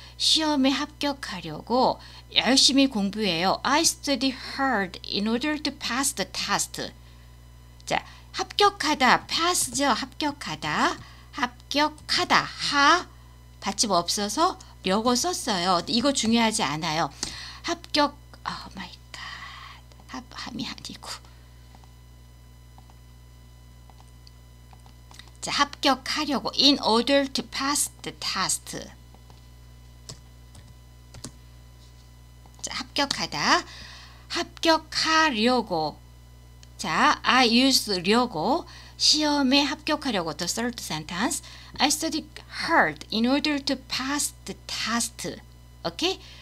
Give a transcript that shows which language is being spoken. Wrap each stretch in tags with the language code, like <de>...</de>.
<ko>시험에 합격하려고 열심히 공부해요.</ko> <en>I study hard in order to pass the test.</en> <ko>자, 합격하다, pass죠, 합격하다, 합격하다, 하, 받침 없어서 려고 썼어요. 이거 중요하지 않아요. 합격, oh my. 합함이 아니고 자, 합격하려고</ko> <en>in order to pass the test</en> <ko>자, 합격하다 합격하려고 자,</ko> <en>I use 려고</en> <ko>시험에 합격하려고</ko> <en>the third sentence I study hard in order to pass the test okay?</en>